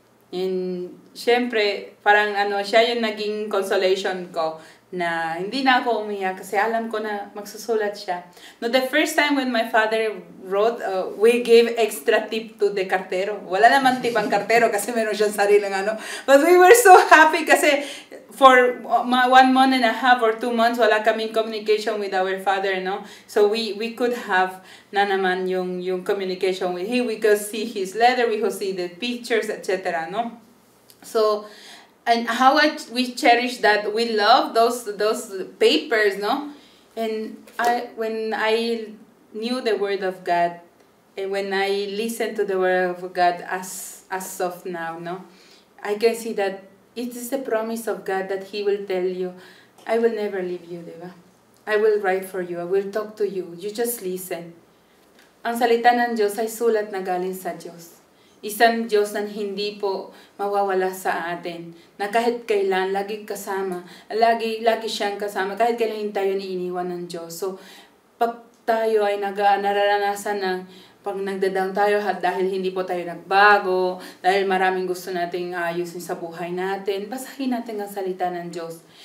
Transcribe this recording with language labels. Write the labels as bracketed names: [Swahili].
[Filipino] And syempre, parang ano, siya yung naging consolation ko na hindi na ako umiyak kasi alam ko na magsusulat siya. [English] No, the first time when my father wrote, we gave extra tip to the cartero. [Filipino] Wala naman tip ang cartero kasi meron siyang sariling ano. [English] But we were so happy [Filipino] kasi [English] for 1 month and a half or 2 months, [Filipino] wala kaming [English] communication with our father, no? So we could have [Filipino] na naman yung [English] communication with him. We could see his letter, we could see the pictures, etc., no? So, and how we cherish that, we love those papers, no? And when I knew the Word of God, and when I listened to the Word of God as of now, no? I can see that it is the promise of God that He will tell you, I will never leave you, diba? I will write for you, I will talk to you, you just listen. [Filipino] Ang salita ng Diyos ay sulat na galing sa Diyos. Isang Diyos na hindi po mawawala sa atin. Na kahit kailan, lagi kasama. Lagi siyang kasama. Kahit kailan tayo iniwan ng Diyos. So, pag tayo ay nararanasan ng pag nagda-down tayo dahil hindi po tayo nagbago, dahil maraming gusto nating ayusin sa buhay natin, basahin natin ang salita ng Diyos.